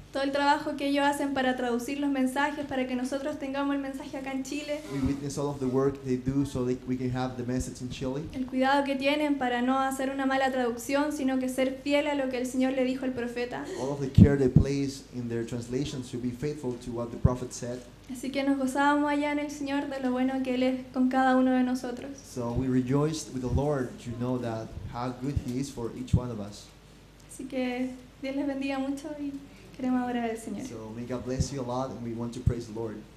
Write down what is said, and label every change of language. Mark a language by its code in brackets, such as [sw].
[es] Todo el trabajo que ellos hacen para traducir los mensajes para que nosotros tengamos el mensaje acá en Chile. [en] We witness all of the work they do so that we can have the message in Chile. [es] El cuidado que tienen para no hacer una mala traducción, sino que ser fiel a lo que el Señor le dijo al profeta. [en] All of the care they place in their translations to be faithful to what the prophet said. [es] Así que nos gozábamos allá en el Señor de lo bueno que él es con cada uno de nosotros. [en] So we rejoiced with the Lord to know that how good he is for each one of us. [es] Así que Dios les bendiga mucho y queremos adorar al Señor. [en] So may God bless you a lot and we want to praise the Lord.